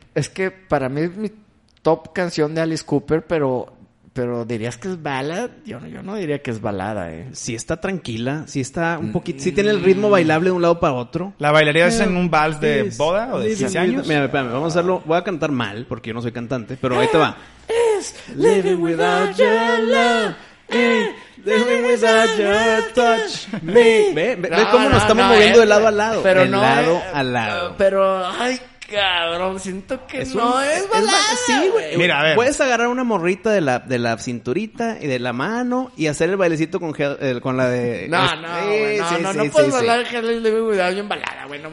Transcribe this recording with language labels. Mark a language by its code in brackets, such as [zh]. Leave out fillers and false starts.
[es] Es que para mí es mi top canción de Alice Cooper, pero... ¿Pero dirías que es ballad? Yo no diría que es balada, ¿eh? Sí está tranquila, sí está un poquito... Sí tiene el ritmo bailable de un lado para otro. ¿La bailaría es en un vals de boda o de 15 años? Mira, espérame, vamos a hacerlo... Voy a cantar mal, porque yo no soy cantante, pero ahí te va. [en] It's living without your love, living without your touch, me. [es] Ve cómo nos estamos moviendo de lado a lado. De lado a lado. Pero, ay... Cabrón, siento que es es balada. Sí, güey. Mira, a ver. Puedes agarrar una morrita de la cinturita y de la mano y hacer el bailecito con la de... No puedes bailar en Hell is Living Without You en balada, güey.